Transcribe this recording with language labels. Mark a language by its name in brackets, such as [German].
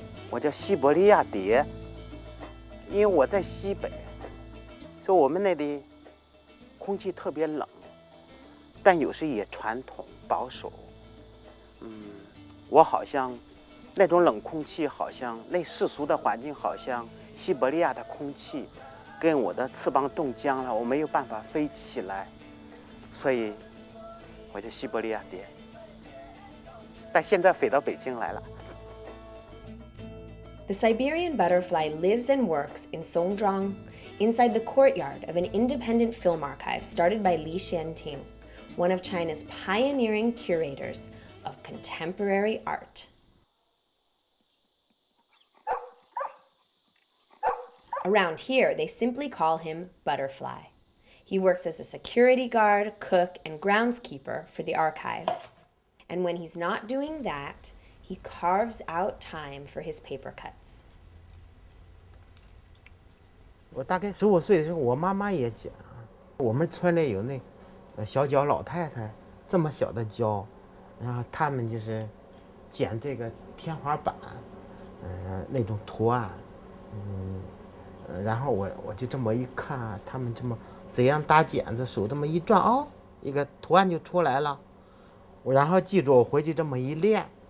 [Chinese] 我叫西伯利亚蝶，因为我在西北，所以我们那里空气特别冷，但有时也传统保守。嗯，我好像那种冷空气，好像那世俗的环境，好像西伯利亚的空气跟我的翅膀冻僵了，我没有办法飞起来，所以我叫西伯利亚蝶。但现在飞到北京来了。 [English] The Siberian butterfly lives and works in Songzhuang, inside the courtyard of an independent film archive started by Li Xianting, one of China's pioneering curators of contemporary art. Around here, they simply call him Butterfly. He works as a security guard, cook, and groundskeeper for the archive. And when he's not doing that, he carves out time for his paper cuts. [Chinese] 我大概15岁的时候，我妈妈也剪，我们村里有那小脚老太太，这么小的胶，然后他们就是剪这个天花板，那种图案，然后我就这么一看，他们这么怎样搭剪子，手这么一转，哦，一个图案就出来了，我然后记住，我回去这么一练。